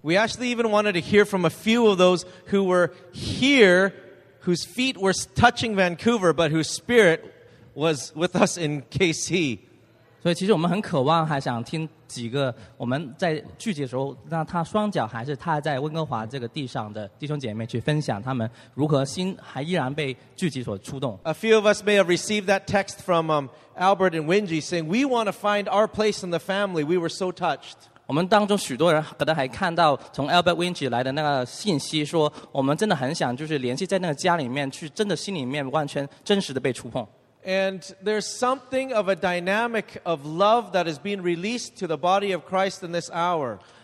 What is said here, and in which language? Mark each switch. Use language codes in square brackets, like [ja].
[en] We actually even wanted to hear from a few of those who were here, whose feet were touching Vancouver, but whose spirit was with us in KC. [zh] 所以其实我们很渴望还想听几个我们在聚集的时候让他双脚还是踏在温哥华这个地上的弟兄姐妹去分享他们如何心还依然被聚集所触动。 [en] A few of us may have received that text from Albert and Wingie saying, we want to find our place in the family. We were so touched. [zh] 我们当中许多人可能还看到从 Albert Wingie 来的那个信息说我们真的很想就是联系在那个家里面去真的心里面完全真实的被触碰。 [en] And there's something of a dynamic of love that is being released to the body of Christ in this hour.